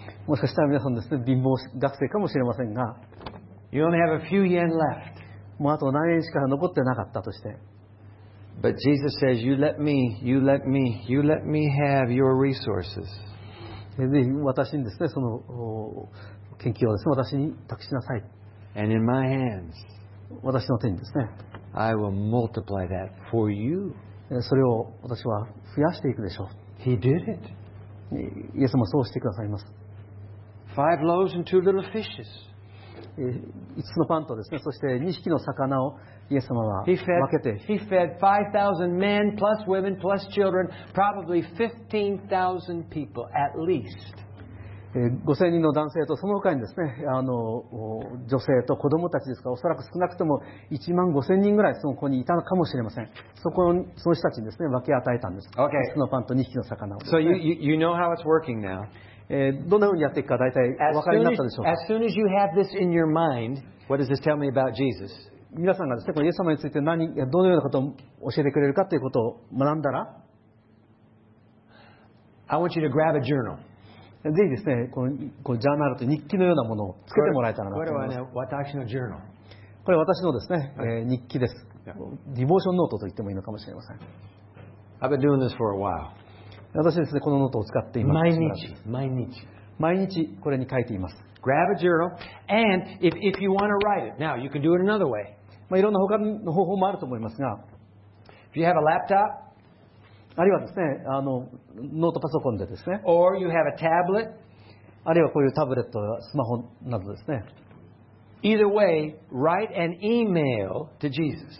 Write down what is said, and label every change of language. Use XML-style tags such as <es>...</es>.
<ja>もしかしたら皆さんですね、貧乏学生かもしれませんが、</ja> <en>you only have a few yen left.</en> <ja>もうあと何円しか残ってなかったとして、</ja> <en>but Jesus says, you let me have your resources.</en> <ja>ぜひ私にですね、その研究をですね、私に託しなさい。</ja> <en>And in my hands,</en> <ja>私の手にですね、</ja> <en>I will multiply that for you.</en> <ja>それを私は増やしていくでしょう。</ja> <en>He did it.</en> <ja>イエス様はそうしてくださいます。</ja> <en>Five loaves and two little fishes.</en> <ja>5つのパンとですね、そして2匹の魚をイエス様は分けて。</ja> <en>He fed 5,000 men plus women plus children, probably 15,000 people at least.</en> <ja>5,000 人の男性とその他にですね、女性と子供たちですから、おそらく少なくとも15,000人ぐらいその子にいたのかもしれません。その人たちにですね、分け与えたんです。</ja> <en>Okay.</en> <ja>1つのパンと2匹の魚を、ね。</ja> <en>So you know how it's working now.</en> <ja>どんなふうにやっていくか大体お分かりになったでしょうか。</ja> <en>As soon as you have this in your mind, what does this tell me about Jesus?</en> <ja>皆さんがですね、このイエス様について何、どのようなことを教えてくれるかということを学んだら、</ja> <en>I want you to grab a journal.</en> <ja>ぜひですね、このジャーナルと日記のようなものをつけてもらえたらなと思います。これはね、私のジャーナル。これは私のですね、日記です。ディボーションノートと言ってもいいのかもしれません。</ja> <en>I've been doing this for a while.</en> <ja>私ですね、このノートを使っています。毎日これに書いています。</ja> <en>Grab a journal, and if you want to write it, now you can do it another way.</en> <ja>まあ、いろんな他の方法もあると思いますが、</ja> <en>If you have a laptop,</en> <ja>あるいはですね、ノートパソコンでですね、</ja> <en>Or you have a tablet.</en> <ja>あるいはこういうタブレット、スマホなどですね。</ja> <en>Either way, write an email to Jesus.</en>